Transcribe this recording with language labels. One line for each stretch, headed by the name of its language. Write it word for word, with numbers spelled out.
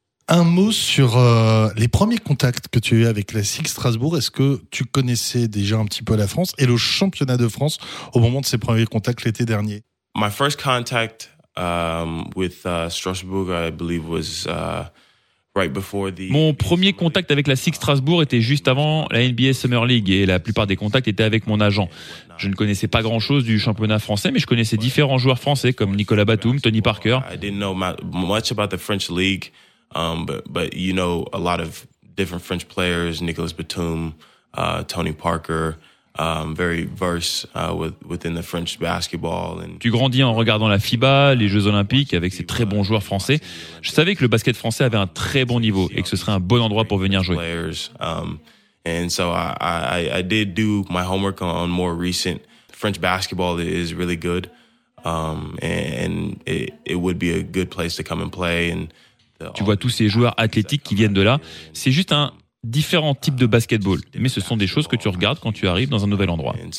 French: Un mot sur euh, les premiers contacts que tu as eu avec la S I X Strasbourg. Est-ce que tu connaissais déjà un petit peu la France et le championnat de France au moment de ces premiers contacts l'été dernier?
English: My first contact um, with uh, Strasbourg, I believe, was uh, right before the.
French: Mon premier contact avec la S I X Strasbourg était juste avant la N B A Summer League et la plupart des contacts étaient avec mon agent. Je ne connaissais pas grand-chose du championnat français, mais je connaissais différents joueurs français comme Nicolas Batum, Tony Parker.
English: I didn't know much about the French League. Um, but, but you know a lot of different French players, Nicolas Batum, uh, Tony Parker, um, very versed uh, with, within the French basketball. And
French: tu grandis en regardant la FIBA, les Jeux Olympiques, avec ces très bons joueurs français. Je savais que le basket français avait un très bon niveau et que ce serait un bon endroit pour venir jouer.
English: Players, um, and so I, I, I did do my homework on, on more recent French basketball is really good, um, and, and it, it would be a good place to come and play and.
French: Tu vois tous ces joueurs athlétiques qui viennent de là. C'est juste un différent type de basketball, mais ce sont des choses que tu regardes quand tu arrives dans un nouvel endroit.